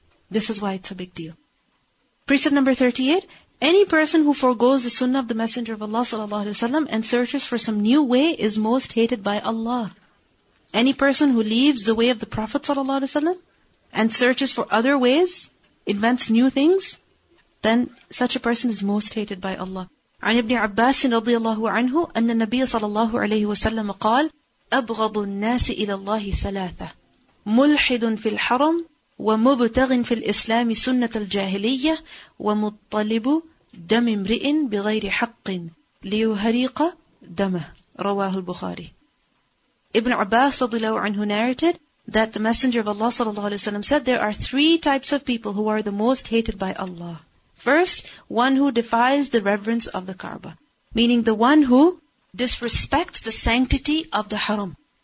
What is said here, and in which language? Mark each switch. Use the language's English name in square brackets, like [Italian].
[English] This is why it's a big deal. Precept number 38, any person who forgoes the sunnah of the Messenger of Allah sallallahu alaihi wasallam and searches for some new way is most hated by Allah. Any person who leaves the way of the Prophet sallallahu alaihi wasallam and searches for other ways, invents new things, then such a person is most hated by Allah. [Arabic] عن ابن عباس رضي الله عنه أن النبي صلى الله عليه وسلم قال أبغض الناس إلى الله ثلاثة ملحد في الحرم ومبتغ في الإسلام سنة الجاهلية ومطلب دم امرئ بغير حق ليهريق دمه رواه البخاري. [English] Ibn Abbas رضي الله عنه narrated that the Messenger of Allah صلى الله عليه وسلم said, there are three types of people who are the most hated by Allah. First, one who defies the reverence of the Kaaba, meaning the one who disrespects the sanctity of the haram.